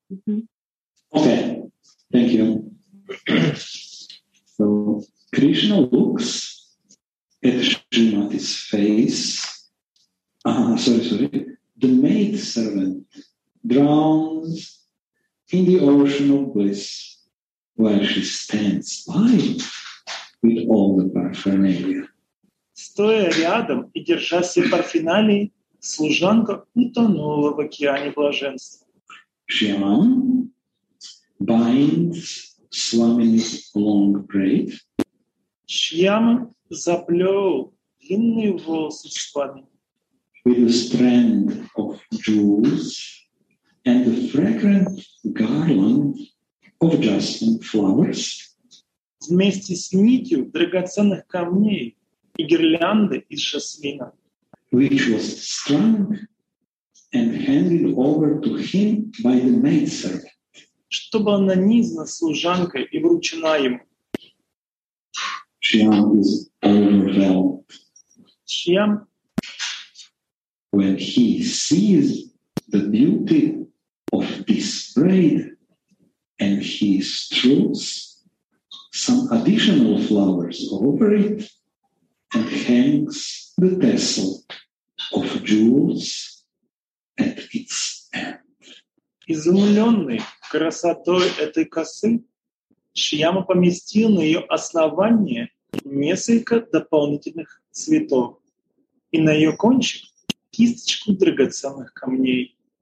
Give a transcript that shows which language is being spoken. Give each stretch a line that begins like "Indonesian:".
English: Mm-hmm. Okay, thank you. So, Krishna looks at Srimati's face. The maid servant drowns in the ocean of bliss while she stands by with all the paraphernalia.
Russian: Стоя рядом и держа все парфюмерии, служанка утонула в океане блаженства.
English: Shyam binds Swami's long braid.
Russian: Shyam заплел длинные волосы Свами.
English: With a strand of jewels and a fragrant garland of jasmine flowers.
Russian: Вместе с нитью драгоценных камней и гирлянды из жасмина.
English: Which was strung and handed over to him by the maidservant.
Russian: Чтобы она нанизана служанкой и вручена ему.
English: Shyam is overwhelmed. Shyam. When he sees the beauty of this braid and he strews some additional flowers over it and hangs the tassel of jewels at its end.
Russian: Изумленный красотой этой косы, Шьяма поместил на ее основание несколько дополнительных цветов и на ее кончик кисточку драгоценных камней.